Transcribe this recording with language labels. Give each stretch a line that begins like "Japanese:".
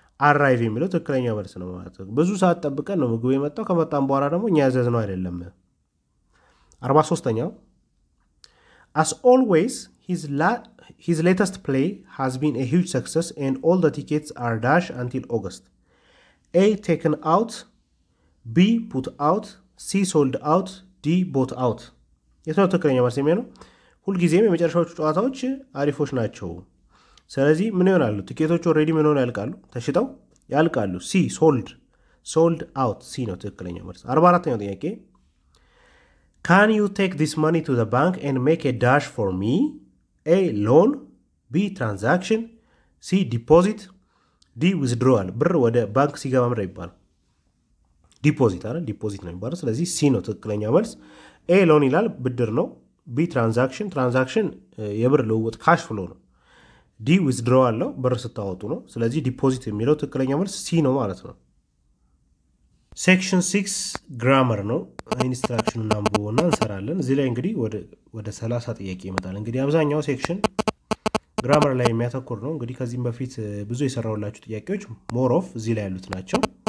Amharic: arrive የሚለው ትክክለኛ መልስ ነው ማለት ነው ብዙ ሰዓት ጠብቀን ነው ምግብ የመጣው ከመጣም በኋላ ደግሞ እኛ ያዘዝ ነው አይደለም 43ኛው
English: as always His latest play has been a huge success and all the tickets are dash until August. A. Taken out. B. Put out. C. Sold out. D. Bought out.
Amharic: የቱን ትክክለኛ መልስ የሚሆነው? ሁልጊዜም የመጨረሻዎቹ ጨዋታዎች አሪፎች ናቸው። ስለዚህ ምን ይሆናሉ? ቲኬቶቹ ኦልሬዲ ምን ሆነው ያልቃሉ? ተሽጠው ያልቃሉ።
English: C. Sold. Sold out.
Amharic: C ነው ትክክለኛ መልስ። 44ኛው ጥያቄ
English: Can you take this money to the bank and make a dash for me? A. Loan B. Transaction C. Deposit D.
Amharic: Withdrawal ብር ወደ ባንክ ሲገባ ምን ይባላል? Deposit አይደል? Deposit ነው ይባላል ስለዚህ C ነው ትክክለኛ መልስ A. Loan ይላል ብድር ነው B. Transaction Transaction የብር ልውውጥ cash flow ነው D. Withdrawal ነው ብር ስታወጡ ነው ስለዚህ Deposit የሚለው ትክክለኛ መልስ C ነው ማለት ነው Section 6 grammar ነው instruction number 1 እንሰራለን እዚህ ላይ እንግዲህ ወደ 30 ጥያቄ ይመጣል እንግዲህ አብዛኛው section grammar ላይ የሚያተኩር ነው እንግዲህ ከዚህም በፊት ብዙ የሰራውላችሁ ጥያቄዎች more of እዚህ ላይ ያሉት ናቸው